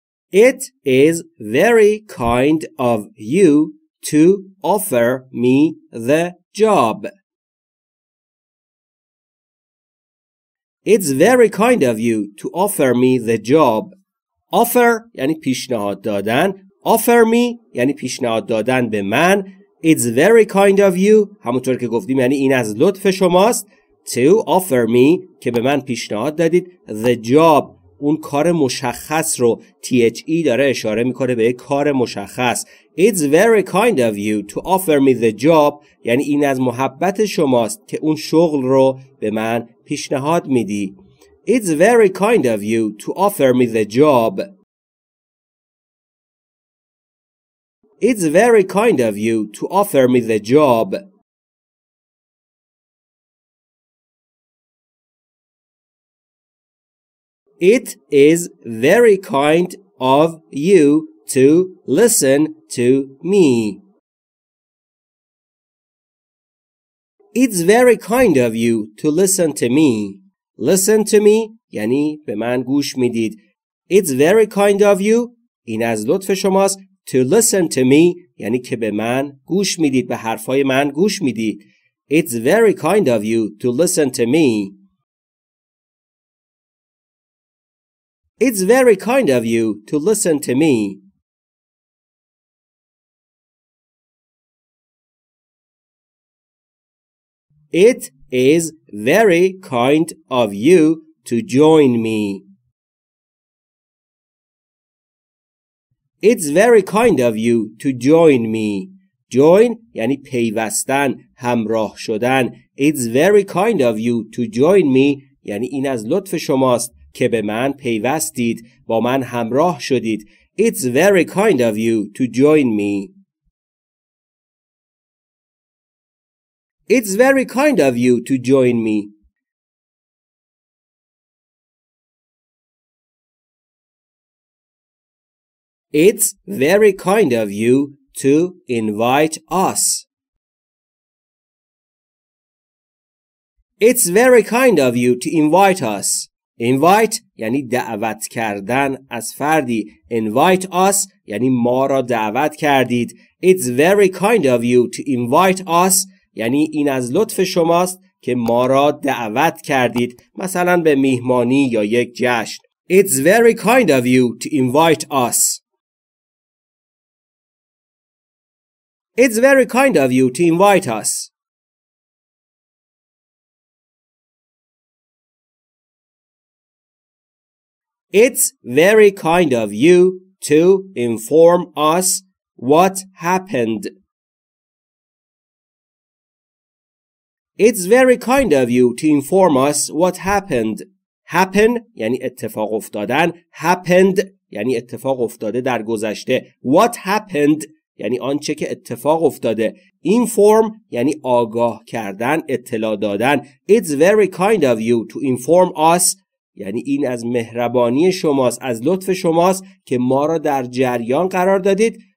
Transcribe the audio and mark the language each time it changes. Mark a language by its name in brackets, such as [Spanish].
[English] It is very kind of you to offer me the job. It's very kind of you to offer me the job. [Persian] Offer یعنی پیشنهاد دادن. [English] Offer me [Persian] یعنی پیشنهاد دادن به من. [English] It's very kind of you، [Persian] همونطور که گفتیم یعنی این از لطف شماست. [English] To offer me [Persian] که به من پیشنهاد دادید. [English] The job [Persian] اون کار مشخص رو، THE داره اشاره میکنه به کار مشخص. [English] It's very kind of you to offer me the job، [Persian] یعنی این از محبت شماست که اون شغل رو به من پیشنهاد میدی. [English] It's very kind of you to offer me the job. It's very kind of you to offer me the job. It is very kind of you to listen to me. It's very kind of you to listen to me. Listen to me [Persian] یعنی به من گوش میدید. [English] It's very kind of you، [Persian] این از لطف شماست. [English] To listen to me [Persian] یعنی که به من گوش میدید، به حرفای من گوش میدید. [English] It's very kind of you to listen to me. It's very kind of you to listen to me. It is very kind of you to join me. It's very kind of you to join me. [Persian] Join یعنی پیوستن، همراه شدن. [English] It's very kind of you to join me [Persian] یعنی این از لطف شماست که به من پیوستید، با من همراه شدید. [English] It's very kind of you to join me. It's very kind of you to join me. It's very kind of you to invite us. It's very kind of you to invite us. [Persian] Invite یعنی دعوت کردن از فردی. [English] Invite us [Persian] یعنی ما را دعوت کردید. [English] It's very kind of you to invite us [Persian] یعنی این از لطف شماست که ما را دعوت کردید، مثلا به میهمانی یا یک جشن. [English] It's very kind of you to invite us. It's very kind of you to invite us. It's very kind of you to inform us what happened. It's very kind of you to inform us what happened. [Persian] happen یعنی اتفاق افتادن، happened یعنی اتفاق افتاده در گذشته، [English] what happened [Persian] یعنی آنچه که اتفاق افتاده، inform یعنی آگاه کردن، اطلاع دادن. [English] It's very kind of you to inform us [Persian] یعنی این از مهربانی شماست، از لطف شماست که ما را در جریان قرار دادید.